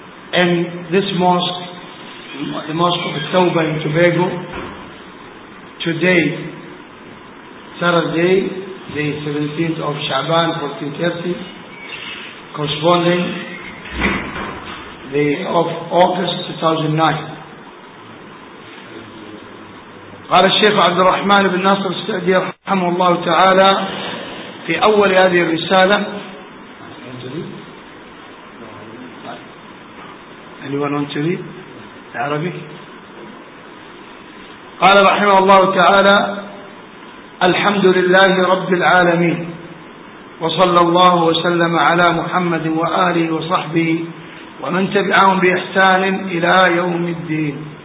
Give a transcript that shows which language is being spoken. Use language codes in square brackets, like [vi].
[en] And this mosque, the Mosque of Tawbah in Tobago, today, Saturday, the 17th of Shaban 1430, corresponding the of August 2009. [ar] قال الشيخ عبد الرحمن بن ناصر السعدي رحمه الله تعالى في أول هذه الرسالة. [en] Anyone want to read Arabic? [ar] قال رحمه الله تعالى: الحمد لله رب العالمين، وصلى الله وسلم على محمد وآله وصحبه ومن تبعهم بإحسان إلى يوم الدين.